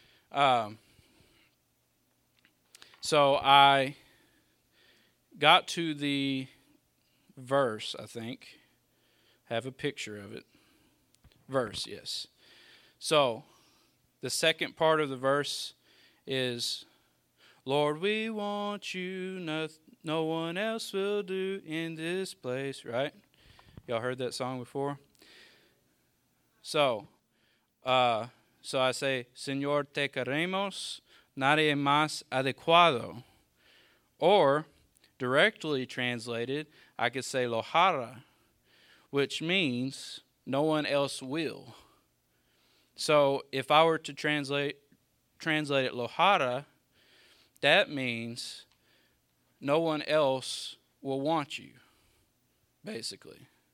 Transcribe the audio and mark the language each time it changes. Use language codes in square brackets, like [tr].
[en] So I got to the verse, I think. Have a picture of it. Verse, yes. So, the second part of the verse is, Lord, we want you, no one else will do in this place, right? Y'all heard that song before? So I say, [es] Señor, te queremos, nadie más adecuado. [en] Or, directly translated, I could say, Lojara, which means no one else will. So if I were to translate it Lojara, that means no one else will want you, basically.